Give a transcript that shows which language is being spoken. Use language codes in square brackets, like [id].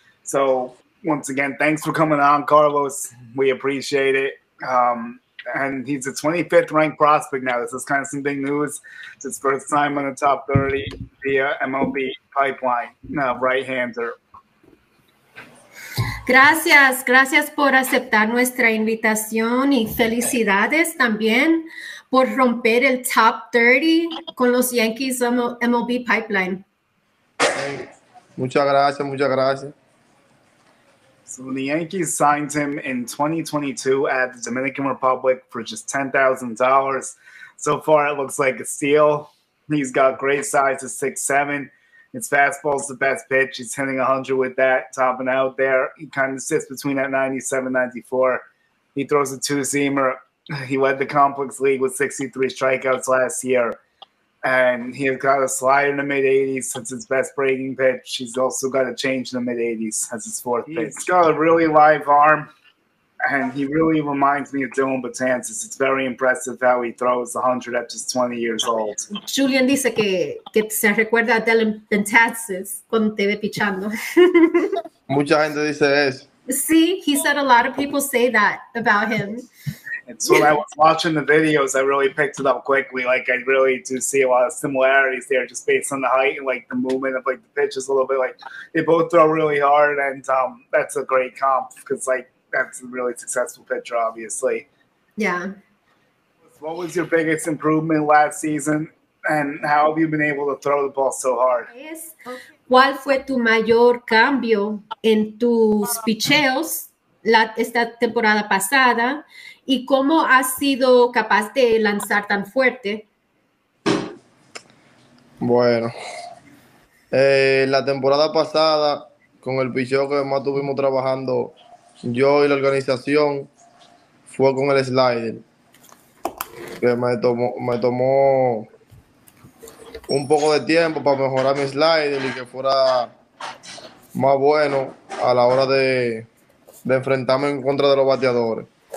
[en] So once again, thanks for coming on, Carlos. We appreciate it. And he's a 25th ranked prospect now. This is kind of some big news. It's his first time on the top 30 via MLB pipeline. Right-hander. [es] Gracias. Gracias por aceptar nuestra invitación y felicidades también por romper el top 30 con los Yankees MLB pipeline. Muchas gracias. Muchas gracias. [en] So the Yankees signed him in 2022 at the Dominican Republic for just $10,000. So far, it looks like a steal. He's got great size of 6'7". His fastball's the best pitch. He's hitting 100 with that, topping out there. He kind of sits between that 97-94. He throws a two-seamer. He led the complex league with 63 strikeouts last year. And he has got a slider in the mid-80s. That's his best breaking pitch. He's also got a change in the mid-80s. That's his fourth pitch. He's got a really live arm, and he really reminds me of Dylan Betances. It's very impressive how he throws 100 at just 20 years old. [es] Julian dice que se recuerda a Dylan Betances cuando te ve pichando. Mucha gente dice eso. Sí, [en] he said a lot of people say that about him. And so when I was watching the videos, I really picked it up quickly. Like, I really do see a lot of similarities there just based on the height and, like, the movement of, like, the pitches a little bit. Like, they both throw really hard, and that's a great comp because, like, that's a really successful pitcher, obviously. Yeah. What was your biggest improvement last season, and how have you been able to throw the ball so hard? [es] ¿Cuál fue tu mayor cambio en tus picheos esta temporada pasada? ¿Y cómo has sido capaz de lanzar tan fuerte? Bueno, la temporada pasada, con el picheo que más tuvimos trabajando yo y la organización, fue con el slider, que me tomó un poco de tiempo para mejorar mi slider y que fuera más bueno a la hora de enfrentarme en contra de los bateadores.